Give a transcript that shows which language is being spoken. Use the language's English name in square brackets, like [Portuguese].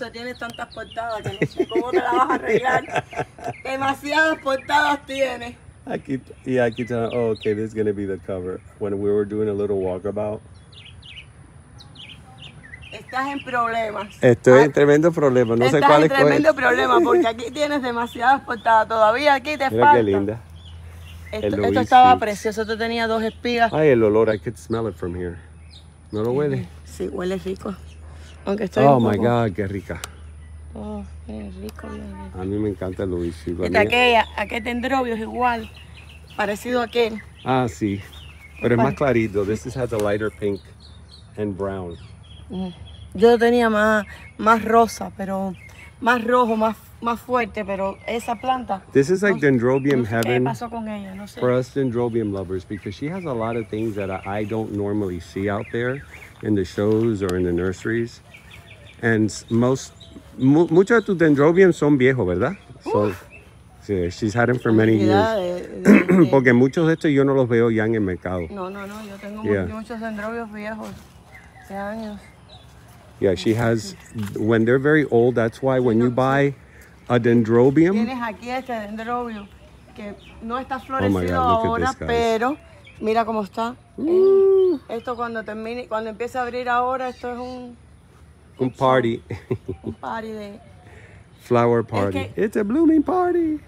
[Spanish] No sé, tienes tantas portadas que no sé cómo te las vas a arreglar. Demasiadas portadas tienes. [English] Okay, this is going to be the cover. When we were doing a little walkabout. [Spanish] Estás en problemas. Estoy en tremendo problema. No sé cuál es. Estás en tremendo problema porque aquí tienes demasiadas portadas. Todavía aquí te falta. Mira qué linda. Esto estaba precioso. Esto tenía dos espigas. Ay, el olor. [English] I could smell it from here. [Spanish] ¿No lo huele? Sí, huele rico. Aunque estoy [English] oh my God, [Spanish] qué rica. Oh, qué rico. A mí me encanta el Luis. Y aquel dendrobio es igual, parecido a aquel. Ah, sí. Pero es más clarito. [English] This has a lighter pink and brown. [Spanish] Yo tenía más rosa, pero más rojo, más fuerte, pero esa planta. [English] This is like dendrobium heaven. [Spanish] ¿Qué pasó con ella? No sé. [English] For us dendrobium lovers, because she has a lot of things that I don't normally see out there. In the shows or in the nurseries. And [Spanish] muchos de tus dendrobium son viejos, ¿verdad? [English] So, yeah, she's had them for many years. [Spanish] Porque muchos de estos yo no los veo ya en el mercado. No, yo tengo muchos dendrobios viejos de años. [English] Yeah, she has, when they're very old, that's why when you buy a dendrobium. [Spanish] Tienes aquí este dendrobium que no está florecido ahora, pero mira cómo está. Esto cuando termine, cuando empiece a abrir ahora, esto es un [English] party. [Spanish] Un party de... [English] Flower party. [Spanish] Es que, [English] it's a blooming party.